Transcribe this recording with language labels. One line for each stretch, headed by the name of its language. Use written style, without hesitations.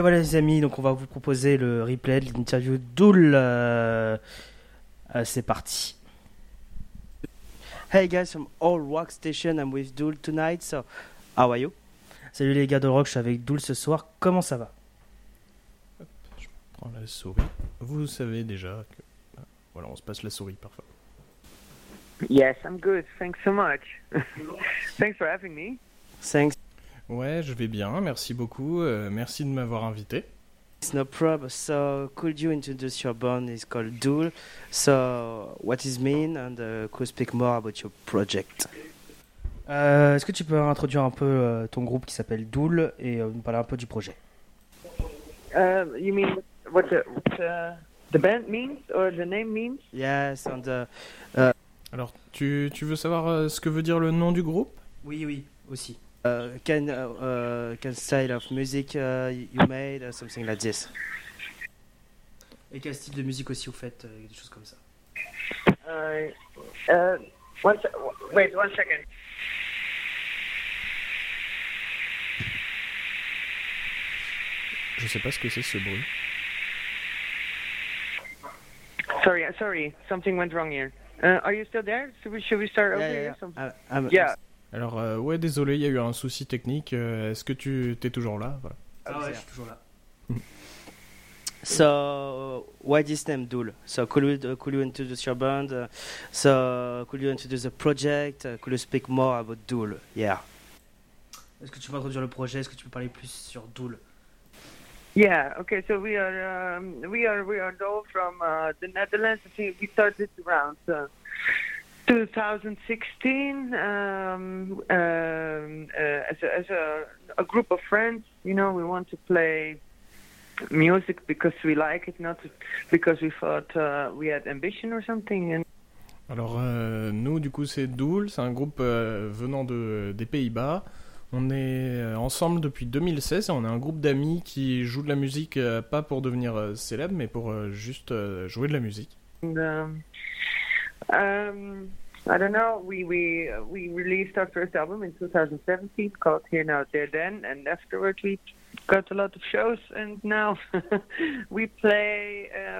French: Voilà les amis, donc on va vous proposer le replay de l'interview d'Oul. C'est parti.
English: Hey guys from All Rock Station, I'm with Oul tonight. So, how are you?
French: Salut les gars d'All Rock, je suis avec Oul ce soir. Comment ça va? Hop, je prends la souris. Vous savez déjà que... Voilà, on se passe la souris parfois.
English: Yes, I'm good. Thanks so much. Thanks for having me. Thanks.
French: Ouais, je vais bien. Merci beaucoup. Merci de m'avoir invité.
English: It's no problem. So, could you introduce your band? It's called Oul. So, what is mean and could you speak more about your project?
French: Est-ce que tu peux introduire un peu ton groupe qui s'appelle Oul et nous parler un peu du projet?
English: You mean what the band means or the name means? Yes, and
French: Alors, tu veux savoir ce que veut dire le nom du groupe? Oui, oui, aussi.
English: Can style of music you made something like this?
French: Et quel style de musique aussi vous faites des choses comme ça?
English: One second.
French: Je sais pas ce que c'est ce bruit.
English: Sorry, something went wrong here. Are you still there? Should we start over here?
French: Alors, ouais, désolé, il y a eu un souci technique. Est-ce que tu es toujours là? Voilà. Ah ouais, je suis toujours là.
English: So, why this name, Oul? So, could you introduce your band? So, could you introduce the project? Could you speak more about Oul? Yeah.
French: Est-ce que tu peux introduire le projet? Est-ce que tu peux parler plus sur Oul?
English: Yeah, okay, so we are Oul from the Netherlands. We started around 2016 as a group of friends, you know. We want to play music because we like it, not because we thought we had ambition or something.
French: Alors nous du coup c'est Oul, c'est un groupe venant des Pays-Bas. On est ensemble depuis 2016 et on est un groupe d'amis qui joue de la musique pas pour devenir célèbre mais pour juste jouer de la musique.
English: I don't know. We released our first album in 2017 called Here Now There Then, and afterwards we got a lot of shows, and now we play.